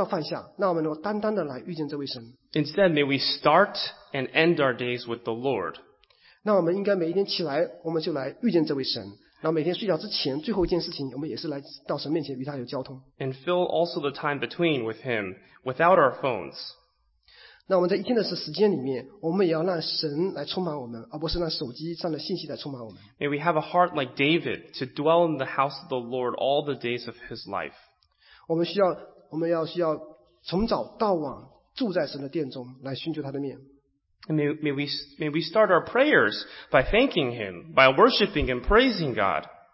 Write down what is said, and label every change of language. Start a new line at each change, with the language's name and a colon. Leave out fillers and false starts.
Chinese: 当我们来到神的面前的时候，我们需要把手机放下。我们甚至也要把那些干扰我们的，包括我们的工作，包括我们的家庭作业，都要放下。那我们能够单单的来遇见这位神。
English: Instead, may we start and end our days with the Lord.
Chinese: 那我们应该每一天起来，我们就来遇见这位神。然后每天睡觉之前，最后一件事情，我们也是来到神面前与他有交通。
English: And fill also the time between with Him without our phones.
Chinese: 那我们在一天的时间里面，我们也要让神来充满我们，而不是让手机上的信息来充满我们。
English: May we have a heart like David to dwell in the house of the Lord all the days of his life.
Chinese: 我们需要从早到晚住在神的殿中来寻求他的面。
English: May we start our prayers by thanking him, by worshiping and praising God.